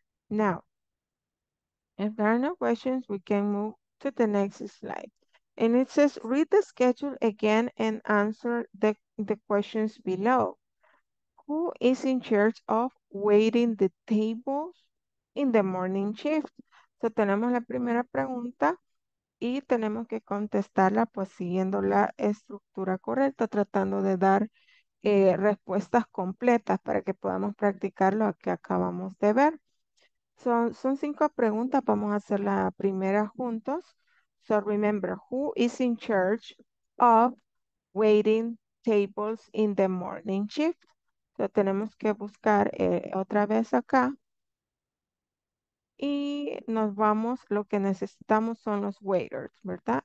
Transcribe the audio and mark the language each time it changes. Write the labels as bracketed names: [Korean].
[English] Now, if there are no questions, we can move to the next slide. And it says, read the schedule again and answer the questions below. Who is in charge of waiting the tables in the morning shift? [Spanish] So tenemos la primera pregunta y tenemos que contestarla pues siguiendo la estructura correcta, tratando de dar respuestas completas para que podamos practicar lo que acabamos de ver. Son cinco preguntas, vamos a hacer la primera juntos. [English] So remember, who is in charge of waiting tables in the morning shift? [Spanish] So tenemos que buscar otra vez acá. Y nos vamos, lo que necesitamos son los waiters, ¿verdad?